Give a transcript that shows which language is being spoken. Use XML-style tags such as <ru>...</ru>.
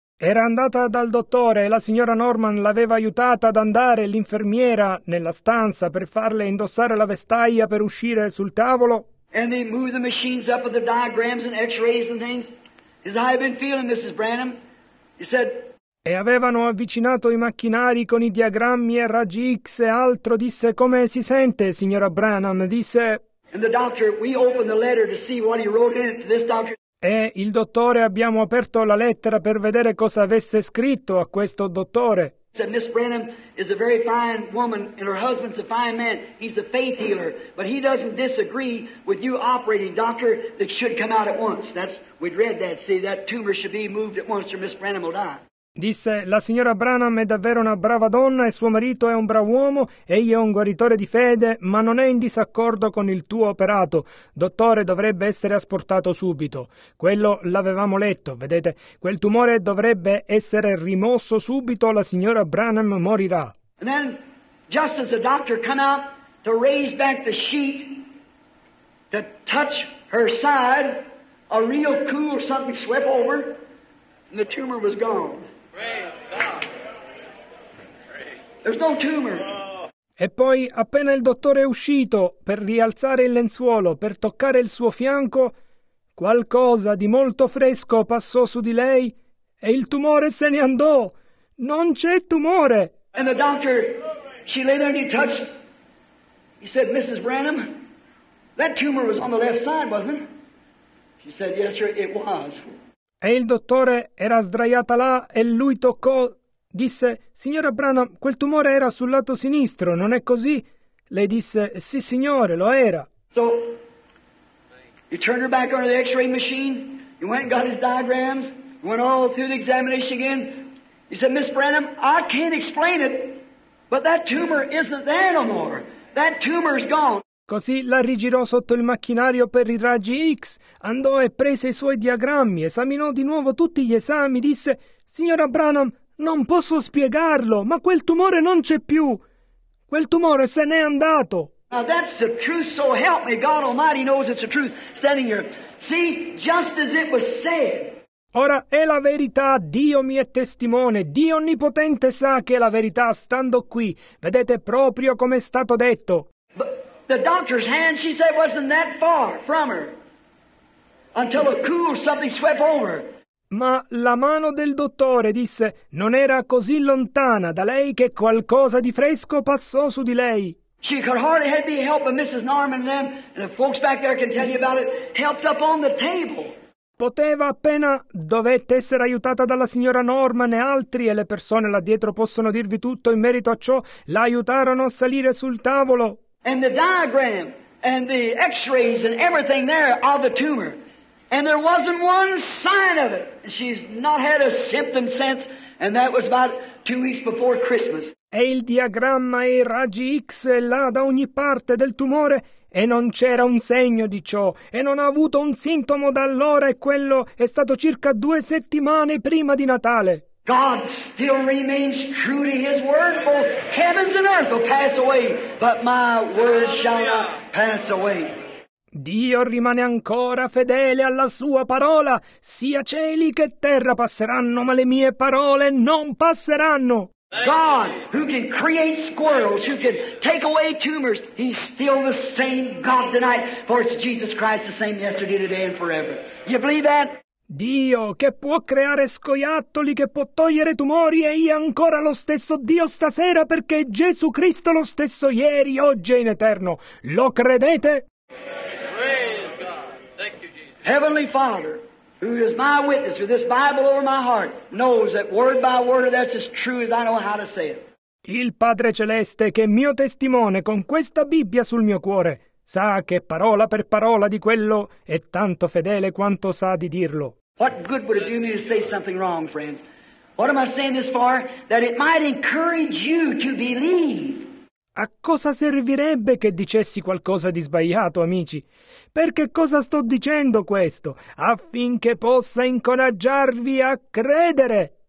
<it>Era andata dal dottore e la signora Norman l'aveva aiutata ad andare l'infermiera nella stanza per farle indossare la vestaglia per uscire sul tavolo.</it> <en>And they moved the machines up with the diagrams and x-rays and things. He said, I've been feeling, Mrs. Branham. He said...</en> <it>E avevano avvicinato i macchinari con i diagrammi e raggi X e altro. Disse, come si sente, signora Branham? Disse...</it> <en>And the doctor, we opened the letter to see what he wrote in it to this doctor.</en> <it>E il dottore, abbiamo aperto la lettera per vedere cosa avesse scritto a questo dottore.</it> <en>Said, Miss Branham is a very fine woman and her husband's a fine man. He's the faith healer. But he doesn't disagree with you operating, doctor, that should come out at once. That's, we'd read that, see, that tumor should be moved at once or Miss Branham will die.</en> <it>Disse, la signora Branham è davvero una brava donna e suo marito è un bravo uomo, egli è un guaritore di fede, ma non è in disaccordo con il tuo operato. Dottore, dovrebbe essere asportato subito. Quello l'avevamo letto, vedete? Quel tumore dovrebbe essere rimosso subito, la signora Branham morirà.</it> <en>And then, just as the doctor came out to raise back the sheet, to touch her side, a real cool something swept over, and the tumor was gone. There's no tumor.</en> <it>E poi, appena il dottore è uscito per rialzare il lenzuolo, per toccare il suo fianco, qualcosa di molto fresco passò su di lei e il tumore se ne andò. Non c'è tumore.</it> <en>And the doctor, she lay there and he touched. He said, Mrs. Branham, that tumor was on the left side, wasn't it? She said, yes, sir, it was.</en> <it>E il dottore era sdraiata là e lui toccò, disse, signora Branham, quel tumore era sul lato sinistro, non è così? Lei disse, sì signore, lo era.</it> <en>So, he turned her back onto the x-ray machine, he went and got his diagrams, he went all through the examination again. He said, Miss Branham, I can't explain it, but that tumor isn't there no more. That tumor's gone.</en> <it>Così la rigirò sotto il macchinario per i raggi X, andò e prese i suoi diagrammi, esaminò di nuovo tutti gli esami, disse, signora Branham, non posso spiegarlo, ma quel tumore non c'è più. Quel tumore se n'è andato.</it> <en>Now that's the truth, so help me, God Almighty knows it's the truth, standing here. See, just as it was said.</en> <it>Ora è la verità, Dio mi è testimone, Dio Onnipotente sa che è la verità, stando qui, vedete proprio come è stato detto.</it> <en>But... The doctor's hand, she said, wasn't that far from her. Until a cool something swept over.</en> <it>Ma la mano del dottore, disse, non era così lontana da lei che qualcosa di fresco passò su di lei.</it> <en>She could hardly have been helping Mrs. Norman and them, and the folks back there can tell you about it, helped up on the table.</en> <it>Poteva appena, dovette essere aiutata dalla signora Norman e altri, e le persone là dietro possono dirvi tutto in merito a ciò, la aiutarono a salire sul tavolo.</it> <en>And the diagram, and the x-rays, and everything there of the tumor. And there wasn't one sign of it. She's not had a symptom since, and that was about 2 weeks before Christmas.</en> <it>E il diagramma e i raggi X là da ogni parte del tumore, e non c'era un segno di ciò, e non ha avuto un sintomo da allora, e quello è stato circa 2 settimane prima di Natale.</it> <en>God still remains true to his word, for heavens and earth will pass away, but my word shall not pass away.</en> <it>Dio rimane ancora fedele alla sua parola, sia cieli che terra passeranno, ma le mie parole non passeranno.</it> <en>God, who can create squirrels, who can take away tumors, he's still the same God tonight, for it's Jesus Christ, the same yesterday, today, and forever. You believe that?</en> <it>Dio, che può creare scoiattoli, che può togliere tumori, e io ancora lo stesso Dio stasera, perché è Gesù Cristo lo stesso ieri, oggi e in eterno. Lo credete?</it> <en>Praise God. Thank you, Jesus. Heavenly Father, who is my witness with this Bible over my heart, knows that word by word that's as true as I know how to say it.</en> <it>Il Padre Celeste, che è mio testimone con questa Bibbia sul mio cuore, sa che parola per parola di quello è tanto fedele quanto sa di dirlo.</it> <en>What good would it do me to say something wrong, friends? What am I saying this for? That it might encourage you to believe.</en> <it>A cosa servirebbe che dicessi qualcosa di sbagliato, amici? Perché cosa sto dicendo questo? Affinché possa incoraggiarvi a credere.</it>